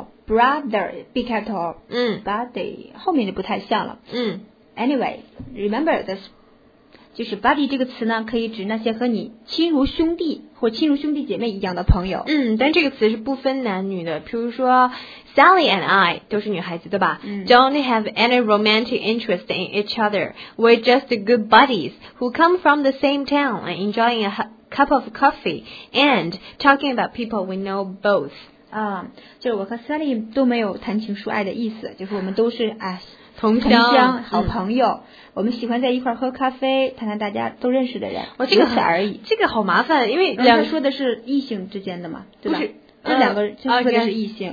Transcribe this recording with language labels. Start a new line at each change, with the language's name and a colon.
English: Brother B
Chinese: 开头，嗯，body 后面就不太像了，嗯。
English: Anyway, remember this,
Chinese: 就是 buddy 这个词呢，可以指那些和你亲如兄弟或亲如兄弟姐妹一样的朋友。嗯，但这个词是不分男女的。譬如说 ，
English: Sally and I
Chinese: 都是女孩子，对吧、嗯、
English: ？Don't have any romantic interest in each other. We're just good buddies who come from the same town and enjoying a cup of coffee and talking about people we know both.
Chinese: 啊、嗯，就是我和 Sally 都没有谈情说爱的意思，就是我们都是哎。同乡好朋友、嗯、我们喜欢在一块喝咖啡谈谈大家都认识的人、哦这个、如此而已。这个好麻烦，因为两个说的是异性之间的嘛，不是对吧、这两个就说的是异性、